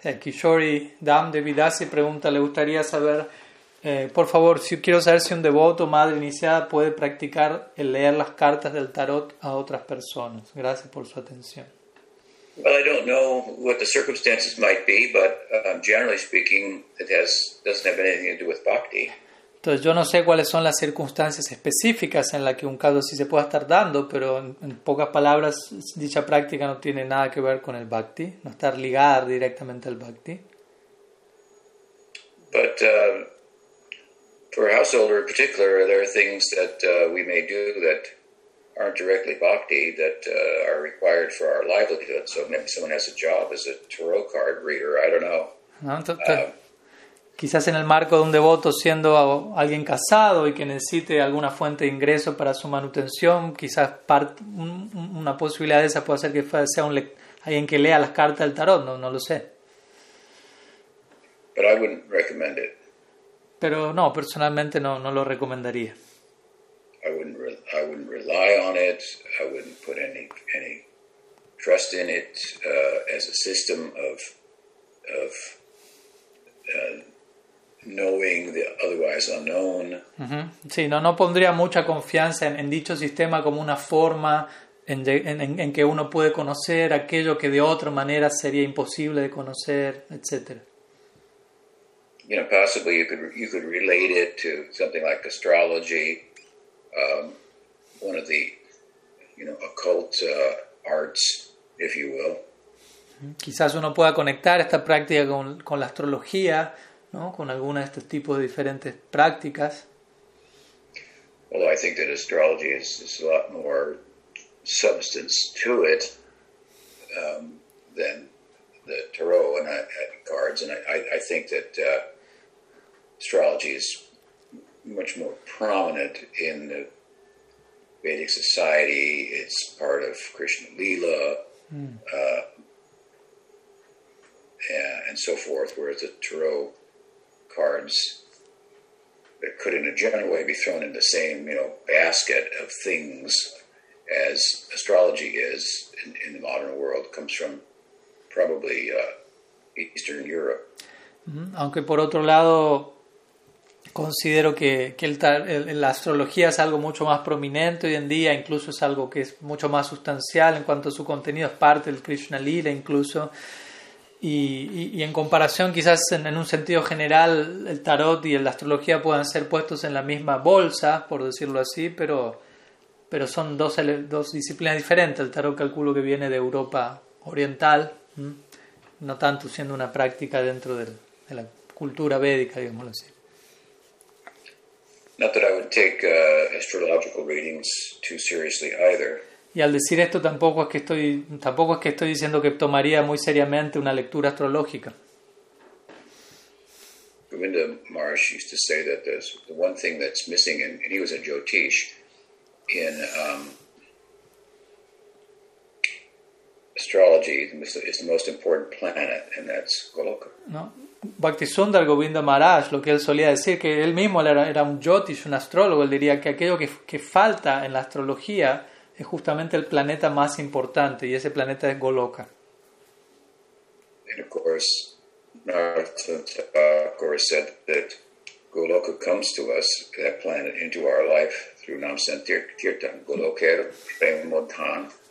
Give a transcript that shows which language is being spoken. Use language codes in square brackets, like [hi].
[es] Kishori Dam Devidasi pregunta, le gustaría saber, por favor, si quiero saber si un devoto o madre iniciada puede practicar el leer las cartas del tarot a otras personas. Gracias por su atención. [en] Well, I don't know what the circumstances might be, but generally speaking, doesn't have anything to do with bhakti. [es] Entonces, yo no sé cuáles son las circunstancias específicas en las que un caso sí se pueda estar dando, pero en pocas palabras, dicha práctica no tiene nada que ver con el bhakti, no está ligada directamente al bhakti. [en] But for a householder in particular, there are things that we may do that aren't directly bhakti, that are required for our livelihood. So maybe someone has a job as a tarot card reader, I don't know. [es] Quizás en el marco de un devoto, siendo alguien casado y que necesite alguna fuente de ingreso para su manutención, quizás una posibilidad de esa puede ser que sea alguien que lea las cartas del tarot, no lo sé. [en] But I wouldn't recommend it. [es] Pero no, personalmente no lo recomendaría. [en] I wouldn't rely on it, I wouldn't put any trust in it as a system of knowing the otherwise unknown. [es] Sí, no pondría mucha confianza en dicho sistema como una forma en que uno puede conocer aquello que de otra manera sería imposible de conocer, etc. [en] You know, possibly you could relate it to something like astrology, one of the, you know, occult arts, if you will. [es] Quizás uno pueda conectar esta práctica con la astrología, ¿no? Con alguna de estos tipos de diferentes prácticas. [en] Although I think that astrology is a lot more substance to it than the tarot and cards, and I think that astrology is much more prominent in the Vedic society. It's part of Krishna Lila. And so forth, whereas the tarot cards that could in a general way be thrown in the same, you know, basket of things as astrology is in the modern world comes from probably Eastern Europe. [es] Aunque por otro lado considero que la astrología es algo mucho más prominente hoy en día, incluso es algo que es mucho más sustancial en cuanto a su contenido, es parte del Krishna Lila incluso. Y en comparación, quizás en un sentido general, el tarot y la astrología puedan ser puestos en la misma bolsa, por decirlo así, pero pero son dos disciplinas diferentes. El tarot calculo que viene de Europa Oriental, no tanto siendo una práctica dentro de la cultura védica, digámoslo así. [en] Not that I would take astrological readings too seriously either. [es] Y al decir esto tampoco es que estoy diciendo que tomaría muy seriamente una lectura astrológica. [en] Govinda Maharshi used to say that the one thing that's missing, and he was a Jyotish, in astrology is the most important planet, and that's Goloka. [es] No. Bhaktisundar Govinda Maharaj, lo que él solía decir, que él mismo era un Jyotish, un astrólogo, él diría que aquello que falta en la astrología es justamente el planeta más importante, y ese planeta es Goloka. [en] And of course, Narottama Thakura said that Goloka comes to us, that planet, into our life through Nam Sankirtan, Golokher Premodhan.